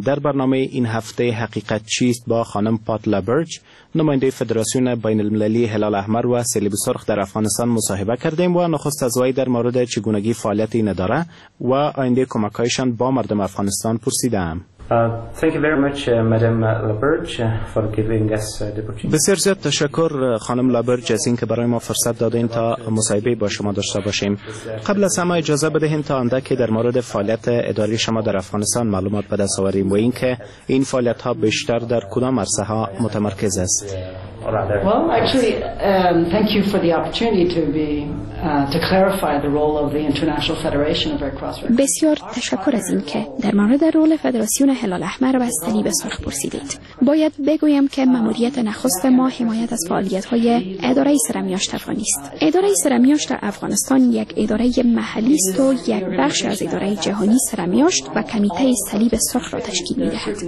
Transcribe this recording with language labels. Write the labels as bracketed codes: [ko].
[fa] در برنامه این هفته حقیقت چیست با خانم پاتلا برج، نماینده فدراسیون بین المللی هلال احمر و صلیب سرخ در افغانستان مصاحبه کردیم و نخست از وی در مورد چگونگی فعالیت این اداره و آینده کمک‌هایشان با مردم افغانستان پرسیدم. [en] Thank you very much, Madam LaBerge, for giving us the opportunity. [fa] بسیار زیاد تشکر خانم LaBerge از اینکه برای ما فرصت دادین تا مصاحبه با شما داشته باشیم. قبل از همه اجازه بدهین تا اندکی در مورد فعالیت اداری شما در افغانستان معلومات به دست آوریم و اینکه این فعالیت ها بیشتر در کدام عرصه ها متمرکز است. [en] Well, actually, thank you for the opportunity to clarify the role of the International Federation of Red Cross. [fa] بسیار تشکر از اینکه در مورد رول فدراسیون هلال احمر و صلیب سرخ پرسیدید. باید بگویم که ماموریت نخست ما حمایت از فعالیت‌های اداره سرمیاشت افغانیست. اداره سرمیاشت افغانستان یک اداره محلی است و یک بخش از اداره جهانی سرمیاشت و کمیته صلیب سرخ را تشکیل می‌دهد.